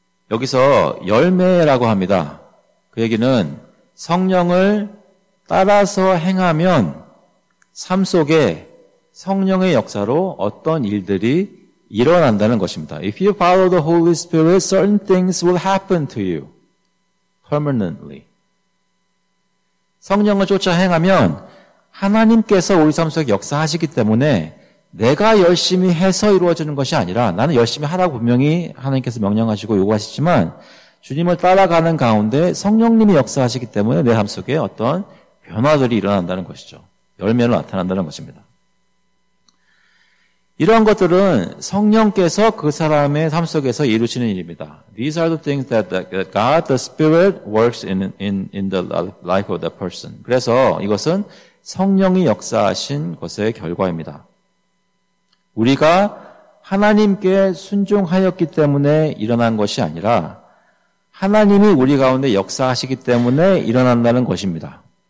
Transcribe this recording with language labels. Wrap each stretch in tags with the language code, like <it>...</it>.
<ko>여기서 열매라고 합니다. 그 얘기는 성령을 따라서 행하면 삶 속에 성령의 역사로 어떤 일들이 일어난다는 것입니다.</ko> <en>If you follow the Holy Spirit, certain things will happen to you. Permanently.</en> <ko>성령을 쫓아 행하면 하나님께서 우리 삶 속에 역사하시기 때문에 내가 열심히 해서 이루어지는 것이 아니라 나는 열심히 하라고 분명히 하나님께서 명령하시고 요구하시지만 주님을 따라가는 가운데 성령님이 역사하시기 때문에 내 삶 속에 어떤 변화들이 일어난다는 것이죠. 열매로 나타난다는 것입니다. 이러한 것들은 성령께서 그 사람의 삶 속에서 이루시는 일입니다.</ko> <en>These are the things that God, the Spirit, works in the life of that person.</en> <ko>그래서 이것은 성령이 역사하신 것의 결과입니다. 우리가 하나님께 순종하였기 때문에 일어난 것이 아니라 하나님이 우리 가운데 역사하시기 때문에 일어난다는 것입니다.</ko>